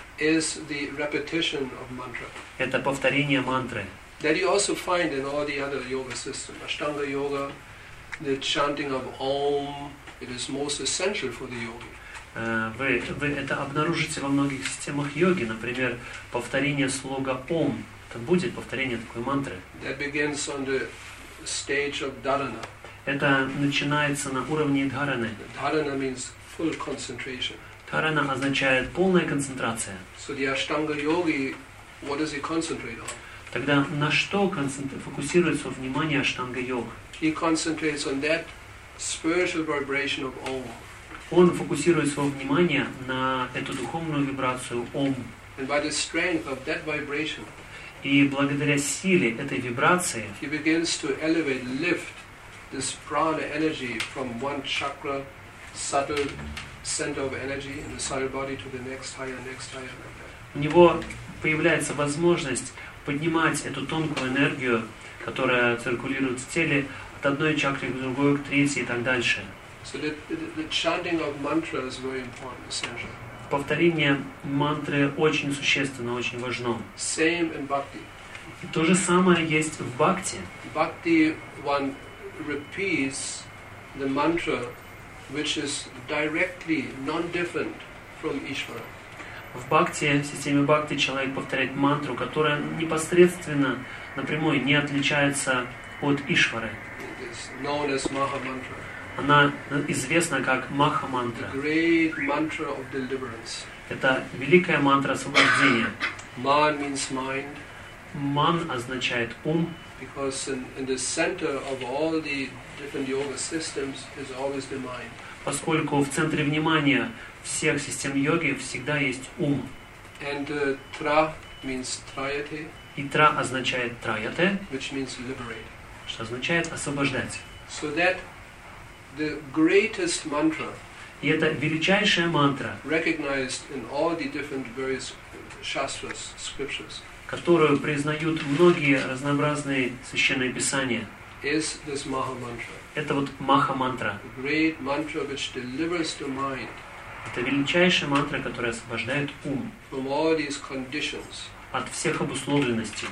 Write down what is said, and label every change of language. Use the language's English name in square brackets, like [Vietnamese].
[English] is the repetition of mantra. [Russian] Это повторение мантры. [English] That you also find in all the other yoga systems. Ashtanga yoga, the chanting of Om. It is most essential for the yogi. [Russian] Вы это обнаружите во многих системах йоги, например, повторение слога Ом. Это будет повторение такой мантры. [English] That begins on the stage of dharana. [Russian] Это начинается на уровне дхараны. [English] Dharana means full concentration. [Russian] Дхарана означает полная концентрация. [English] So the ashtanga yogi, what does he concentrate on? [Russian] Тогда на что фокусируется внимание ashtanga yoga? [English] He concentrates on that spiritual vibration of Om. [Russian] Он фокусирует свое внимание на эту духовную вибрацию Ом. [English] And by the strength of that vibration, [Russian] и благодаря силе этой вибрации, [English] he begins to elevate, lift this prana energy from one chakra, subtle center of energy in the subtle body to the next higher, like that. [Russian] У него появляется возможность поднимать эту тонкую энергию, которая циркулирует в теле, от одной чакры к другой, к третьей и так дальше. [English] So the chanting of mantra is very important, essential. [Russian] Повторение мантры очень существенно, очень важно. [English] Same in bhakti. [Russian] И то же самое есть в бхакти. [English] Bhakti one repeats the mantra which is directly non-different from Ishvara. [Russian] В бхакти, в системе бхакти человек повторяет мантру, которая непосредственно, напрямую не отличается от Ишвары. [English] Known as Maha Mantra. [Russian] Она известна как Маха Мантра. [English] The great mantra of deliverance. [Russian] Это великая мантра освобождения. [English] Ma means mind. [Russian] Man означает ум. [English] Because in the center of all the different yoga systems is always the mind. [Russian] Поскольку в центре внимания всех систем йоги всегда есть ум. [English] And tra means triate. [Russian] И tra означает triate. [English] Which means liberate. [Russian] Что означает освобождать. [English] So that the greatest mantra, [Russian] и это величайшая мантра, [English] recognized in all the different various shastras, scriptures, [Russian] которую признают многие разнообразные священные писания, [English] is this Maha Mantra. [Russian] Это вот Маха Мантра. [English] Great mantra which delivers the mind. [Russian] Это величайшая мантра, которая освобождает ум. [English] From all these conditions. [Russian] От всех обусловленностей.